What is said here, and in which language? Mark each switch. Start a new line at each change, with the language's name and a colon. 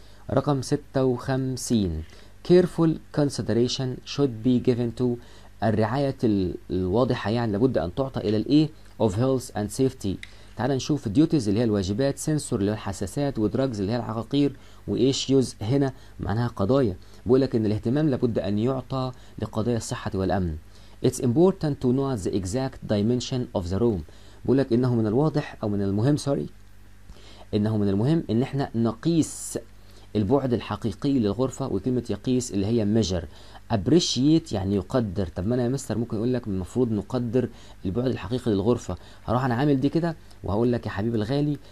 Arabic: رقم 56
English: careful consideration should be given to،
Arabic: الرعايه الواضحه يعني لابد ان تعطى الى الايه،
English: of health and safety.
Arabic: تعال نشوف duties اللي هي الواجبات، sensor اللي هي الحساسات، ودراجز اللي هي العقاقير، وايشوز هنا معناها قضايا. بيقول لك ان الاهتمام لابد ان يعطى لقضايا الصحه والامن.
English: It's important to know the exact dimension of the room.
Arabic: بقول لك انه من الواضح او من المهم، سوري، انه من المهم ان احنا نقيس البعد الحقيقي للغرفة. وكلمة يقيس اللي هي measure. Appreciate يعني يقدر. طب ما انا يا مستر ممكن اقول لك المفروض نقدر البعد الحقيقي للغرفة، هروح انا عامل دي كده وهقول لك يا حبيبي الغالي.